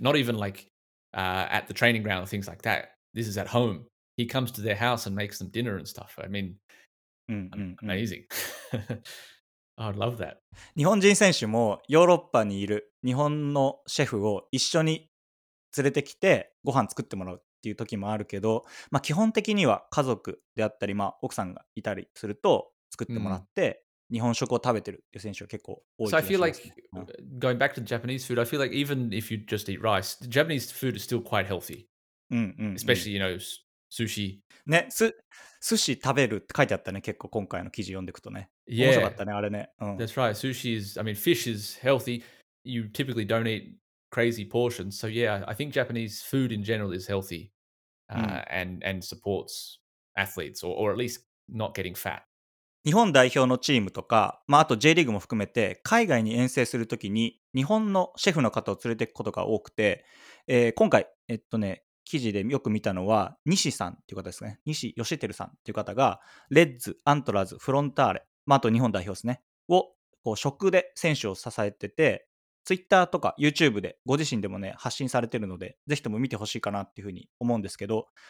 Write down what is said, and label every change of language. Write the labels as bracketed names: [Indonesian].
[English] Not even like at the training ground or things like that. This is at home. He comes to their house and makes them dinner and stuff. I mean, amazing. Oh, I love that. [Japanese] 日本人選手もヨーロッパにいる日本のシェフを一緒に連れてきてご飯作ってもらうっていう時もあるけど、まあ、基本的には家族であったり、まあ、奥さんがいたりすると作ってもらって日本食を食べてるっていう選手は結構多い気がします。 [English] So I feel like going back to Japanese food, I feel like even if you just eat rice, the Japanese food is still quite healthy. Especially, you know, sushi. [Japanese] ね、寿司食べるって書いてあったね、結構今回の記事読んでいくとね。 [English] Yeah. [Japanese] 面白かったね、あれね。 [English] That's right. Sushi is, I mean, fish is healthy. You typically don't eat crazy portions. So yeah, I think Japanese food in general is healthy, and supports athletes, or at least not getting fat. [Japanese] 日本代表のチームとか、まあ、あと J リーグも含めて、海外に遠征するときに日本のシェフの方を連れていくことが多くて、今回、記事でよく見たのは西さんっていう方ですね、西義輝さんっていう方がレッズ、アントラーズ、フロンターレ、まあ、あと日本代表ですねをこう食で選手を支えてて、ツイッターとか YouTube でご自身でもね発信されてるので、ぜひとも見てほしいかなっていうふうに思うんですけど、